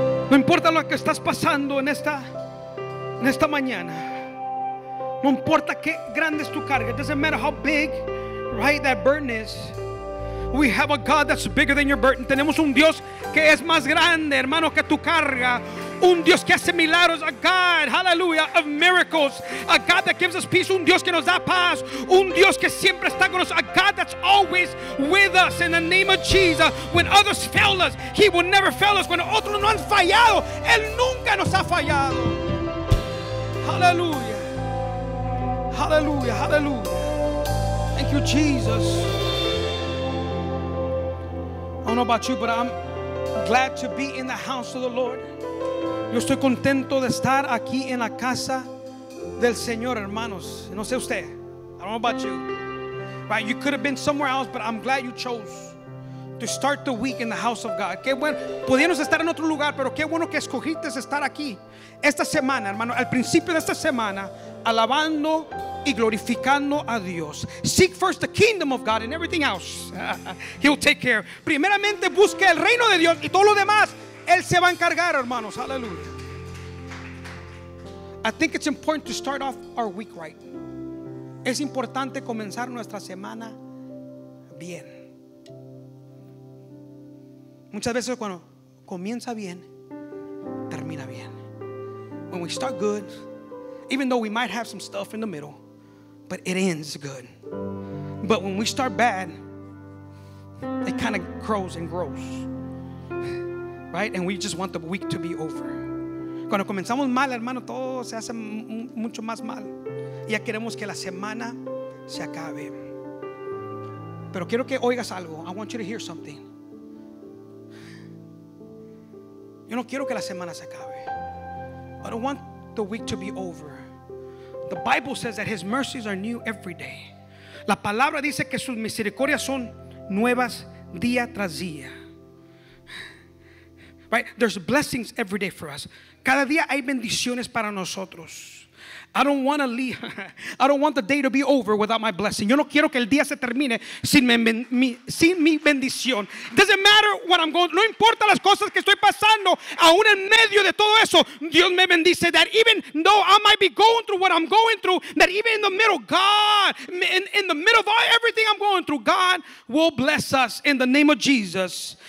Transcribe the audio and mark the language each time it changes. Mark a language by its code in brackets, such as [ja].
[es] No importa lo que estás pasando en esta mañana. No importa qué grande es tu carga. [en] It doesn't matter how big, right, that burden is. We have a God that's bigger than your burden. [es] Tenemos un Dios que es más grande, hermano, que tu carga. Un Dios que hace milagros. [en] A God, hallelujah, of miracles. A God that gives us peace. [es] Un Dios que nos da paz. Un Dios que siempre está con nosotros. [en] A God that's always with us. In the name of Jesus. When others fail us, he will never fail us. [es] Cuando otros no han fallado, él nunca nos ha fallado. [en] Hallelujah. Hallelujah, hallelujah. Thank you, Jesus. I don't know about you, but I'm glad to be in the house of the Lord. [es] Yo estoy contento de estar aquí en la casa del Señor, hermanos. No sé usted. [en] I don't know about you. Right, you could have been somewhere else, but I'm glad you chose to start the week in the house of God. [es] Qué bueno. Podíamos estar en otro lugar, pero qué bueno que escogiste estar aquí. Esta semana, hermano, al principio de esta semana, alabando y glorificando a Dios. [en] Seek first the kingdom of God and everything else he'll take care. [es] Primeramente busque el reino de Dios y todo lo demás él se va a encargar, hermanos. [en] Hallelujah. I think it's important to start off our week right. [es] Es importante comenzar nuestra semana bien. Muchas veces cuando comienza bien termina bien. [en] When we start good, even though we might have some stuff in the middle, but it ends good. But when we start bad, it kind of grows and grows, right? And we just want the week to be over. [es] Cuando comenzamos mal, hermano, todo se hace mucho más mal. Ya queremos que la semana se acabe. Pero quiero que oigas algo. [en] I want you to hear something. [es] Yo no quiero que la semana se acabe. [en] I don't want the week to be over. The Bible says that his mercies are new every day. [es] La palabra dice que sus misericordias son nuevas día tras día. [en] Right? There's blessings every day for us. [es] Cada día hay bendiciones para nosotros. [en] I don't want to leave. I don't want the day to be over without my blessing. [es] Yo no quiero que el día se termine sin mi bendición. [en] Doesn't matter what I'm going. [es] No importa las cosas que estoy pasando. Aún en medio de todo eso, Dios me bendice. [en] That even though I might be going through what I'm going through, that even in the middle, God, in the middle of all, everything I'm going through, God will bless us in the name of Jesus.